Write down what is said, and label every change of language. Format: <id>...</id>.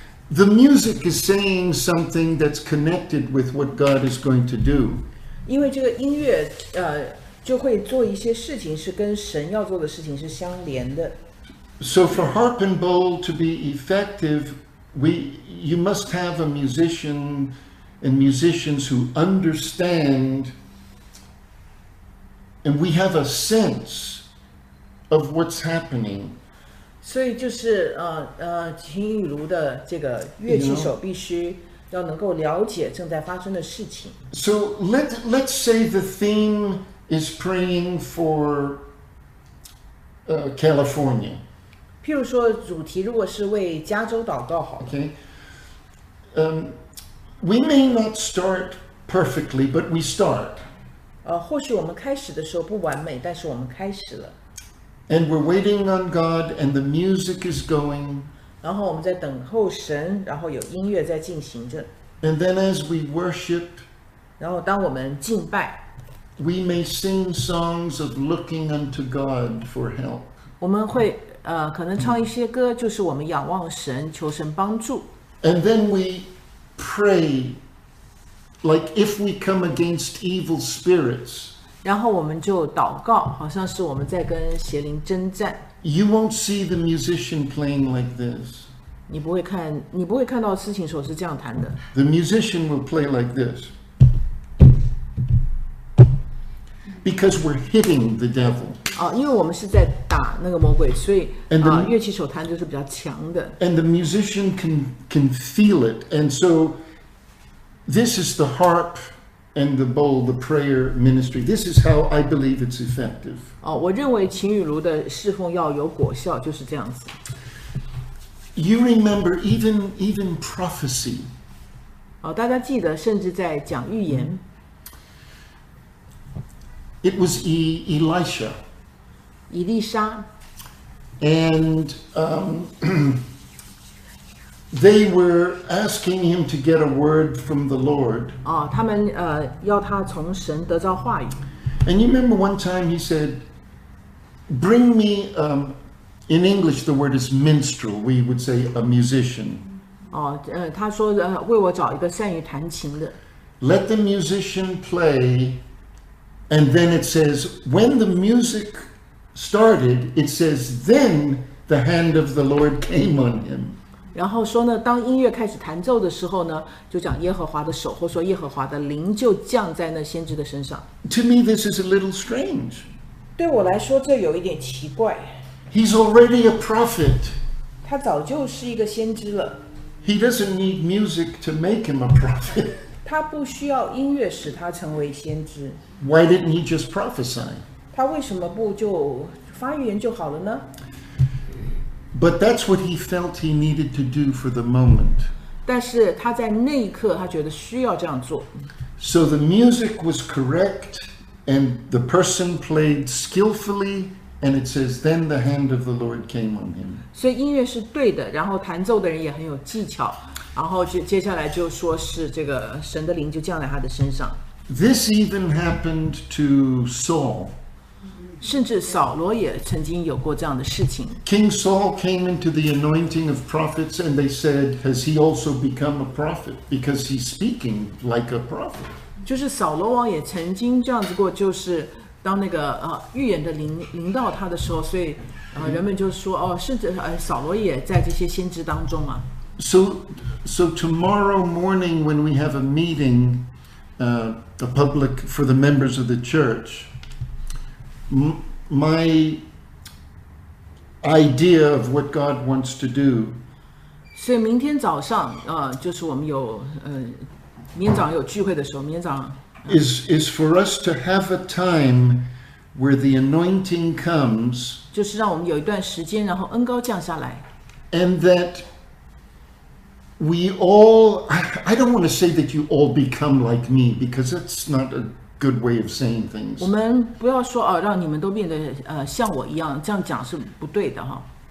<en>The music is saying something that's connected with what God is going to do.</en> <zh>因为这个音乐就会做一些事情是跟神要做的事情是相连的。</zh> <en>So for harp and bowl to be effective, you must have a musician and musicians who understand, and we have a sense of what's happening.</en> <zh>所以就是秦玉如的这个乐器手必须要能够了解正在发生的事情。</zh> <en>So let's say the theme is praying for California.</en> <zh>譬如说主题如果是为加州祷告好。</zh> <en>Okay. We may not start perfectly, but we start.</en> <zh>或许我们开始的时候不完美，但是我们开始了。</zh> <en>And we're waiting on God, and the music is going.</en> <zh>然后我们在等候神，然后有音乐在进行着。</zh> <en>And then as we worship,</en> <zh>然后当我们敬拜，</zh> <en>we may sing songs of looking unto God for help.</en> <zh>我们会可能唱一些歌，就是我们仰望神，求神帮助。</zh> <en>And then we pray, like if we come against evil spirits.</en> <zh>然后我们就祷告，好像是我们在跟邪灵征战。</zh> <en>You won't see the musician playing like this.</en> <zh>你不会看到司琴手是这样弹的。</zh> <en>The musician will play like this. Because we're hitting the devil.</en> <zh>因为我们是在打那个魔鬼，所以乐器手弹就是比较强的。</zh> <en>And the musician can feel it. And so this is the harp. And the bowl, the prayer ministry. This is how I believe it's effective.</en> <zh>我认为秦雨茹的侍奉要有果效，就是这样子。</zh> <en>You remember even prophecy.</en> <zh>大家记得，甚至在讲预言。</zh> <en>It was Elisha.</en> <zh>以利沙。</zh> <en>And they were asking him to get a word from the Lord.</en> <zh>他们要他从神得到话语。</zh> <en>And you remember one time he said, bring me, in English the word is minstrel, we would say a musician.</en> <zh>他说为我找一个善于弹琴的。</zh> <en>Let the musician play, and then it says, when the music started, it says, then the hand of the Lord came on him.</en> <zh>然后说呢，当音乐开始弹奏的时候呢，就讲耶和华的手，或说耶和华的灵就降在那先知的身上。</zh> <en>To me, this is a little strange.</en> <zh>对我来说，这有一点奇怪。</zh> <en>He's already a prophet.</en> <zh>他早就是一个先知了。</zh> <en>He doesn't need music to make him a prophet.</en> <zh>他不需要音乐使他成为先知。</zh> <en>Why didn't he just prophesy?</en> <zh>他为什么不就发预言就好了呢？</zh> <en>But that's what he felt he needed to do for the moment.</en> <zh>但是他在那一刻他觉得需要这样做。</zh> <en>So the music was correct and the person played skillfully and it says then the hand of the Lord came on him.</en> <zh>所以音乐是对的，然后弹奏的人也很有技巧，然后接下来就说是这个神的灵就降在他的身上。</zh> <en>This even happened to Saul.</en> <zh>甚至扫罗也曾经有过这样的事情。</zh> <en>King Saul came into the anointing of prophets, and they said, "Has he also become a prophet? Because he's speaking like a prophet."</en> <zh>就是扫罗王也曾经这样子过，就是当那个预言的临到他的时候，所以人们就说哦，甚至扫罗也在这些先知当中啊。</zh> <en>So tomorrow morning when we have a meeting, the public for the members of the church. My idea of what God wants to do.</en> <zh>所以明天早上，就是我们有，明天早上有聚会的时候，明天早上。</zh> <en>Is for us to have a time where the anointing comes.</en> <zh>就是让我们有一段时间，然后恩膏降下来。</zh> <en>And that we all, I don't want to say that you all become like me, because that's not a. Good way of saying things.</en> <zh>我们不要说让你们都变得像我一样，这样讲是不对的哈。</zh>